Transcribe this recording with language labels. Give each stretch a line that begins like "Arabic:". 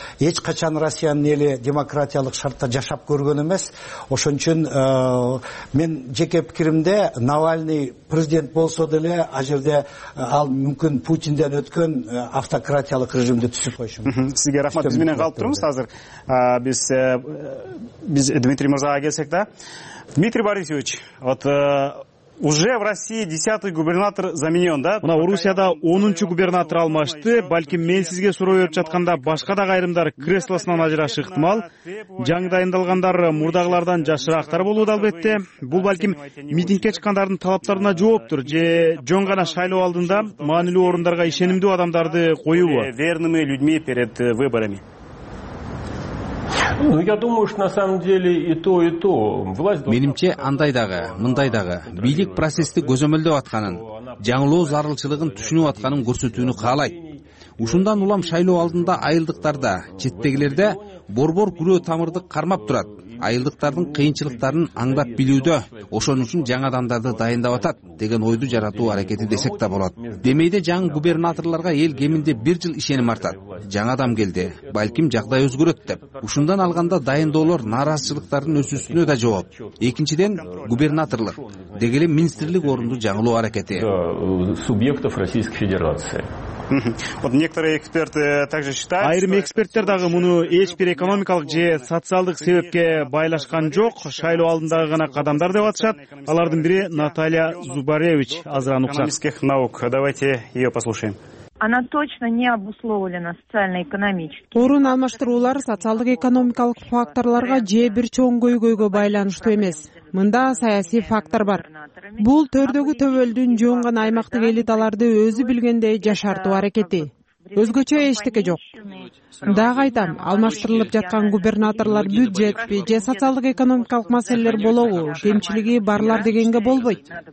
Kyrgyz: Эч качан Россиянын эли демократиялык шартта жашап көргөн эмес. Ошон үчүн мен жеке пикиримде Навальный президент болсо деле ал жерде ал мүмкүн Путинден өткөн автократиялык режимди түзүп коюшу мүмкүн. Сизге рахмат, биз менен калып турабыз азыр. Биз Дмитрий Мырзага келсек да.
Russian: Дмитрий Борисович, уже в России 10-й губернатор заменен, да?
Kyrgyz: Мына Орусияда 10-чу губернатор алмашты. Балким мен сизге суроо берип жатканда башка да кайрымдар креслосунан ажырашы ыктымал. Жаңы дайындалгандар мурдагылардан жашыраактар болууда албетте. Бул балким митингке чыккандардын талаптарына жооптур же жөн гана шайлоо алдында маанилүү орундарга ишенимдүү адамдарды коюубу?
Russian: Верными людьми перед выборами. Ну, я думаю, что на самом деле и то, и то.
Kyrgyz: Менимче андай дагы, мындай дагы. Бийлик процессти көзөмөлдөп атканын, жаңылоо зарылчылыгын түшүнүп атканын көрсөтүүнү каалайт. Ушундан улам шайлоо алдында айылдыктарда, четтегилерде борбор күрөө тамырды кармап турат. Айылдыктардын кыйынчылыктарын аңдап билүүдө, ошон үчүн жаңы адамдарды дайындап атат деген ойду жаратуу аракети десек да болот. Демейде жаңы губернаторлорго эл кеминде 1 жыл ишеним артат. Жаңы адам келди, балким жагдай өзгөрөт деп. Ушундан алганда дайындоолор нааразычылыктардын өсүүсүнө да жооп. Экинчиден, губернаторлук деги эле министрлик орунду жаңылоо аракети.
Russian: Субъектов Российской Федерации. Вот некоторые эксперты также считают.
Kyrgyz: Айрым эксперттер дагы муну эч бир экономикалык же социалдык себепке байлашкан жок, шайлоо алдындагы гана кадамдар деп атышат. Алардын бири Наталья Зубаревич Азранукча.
Russian: Экономических наук. Давайте её послушаем. Она точно не обусловлена социально-экономически.
Kyrgyz: Орун алмаштыруулар социалдык экономикалык факторлорго же бир чоң көйгөйгө байланыштуу эмес. Мында саясий фактор бар. Бул төрдөгү төбөлдүн жөн гана аймактык элиталарды өзү билгендей жашартуу аракети. Өзгөчө эчтеке жок. Дагы айтам, алмаштырылып жаткан губернаторлор бюджетпи же социалдык экономикалык маселелер болобу, кемчилиги барлар дегенге болбойт.